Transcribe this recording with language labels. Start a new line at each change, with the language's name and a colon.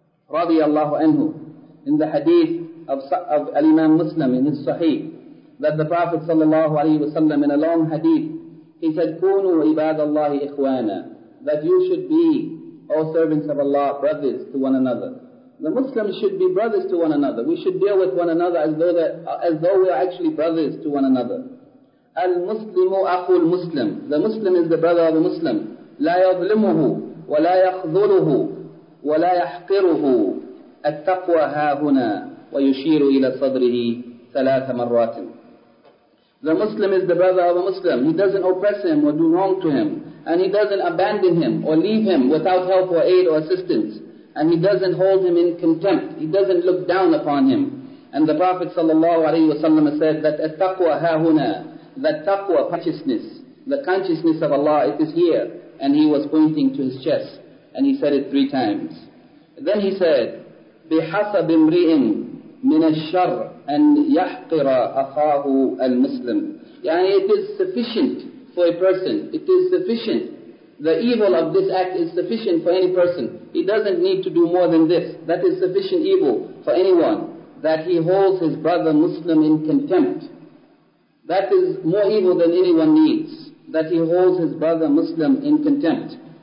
English: رضي الله عنه in the hadith of Al-Imam Muslim in his Sahih, that the Prophet صلى الله عليه وسلم in a long hadith, he said,
Arabic: كونوا عباد الله إخوانا,
English: that you should be, O servants of Allah, brothers to one another. The Muslims should be brothers to one another. We should deal with one another as though we are actually brothers to one another.
Arabic: المسلم أخو المسلم.
English: The Muslim is the brother of a Muslim.
Arabic: لا يظلمه ولا يخذله ولا يحقره. التقوى ها هنا ويشير إلى صدره ثلاث مرات.
English: The Muslim is the brother of a Muslim. He doesn't oppress him or do wrong to him. And he doesn't abandon him or leave him without help or aid or assistance. And he doesn't hold him in contempt. He doesn't look down upon him. And the Prophet ﷺ said that
Arabic: التَّقْوَى هَاهُنَا,
English: that taqwa, consciousness, the consciousness of Allah, it is here. And he was pointing to his chest. And he said it three times. Then he said,
Arabic: بِحَسَبِ امْرِئٍ مِنَ الشَّرْ أَنْ يَحْقِرَ أَخَاهُ الْمُسْلِمِ.
English: Yani it is sufficient for a person. It is sufficient. The evil of this act is sufficient for any person. He doesn't need to do more than this. That is sufficient evil for anyone, that he holds his brother Muslim in contempt. That is more evil than anyone needs, that he holds his brother Muslim in contempt.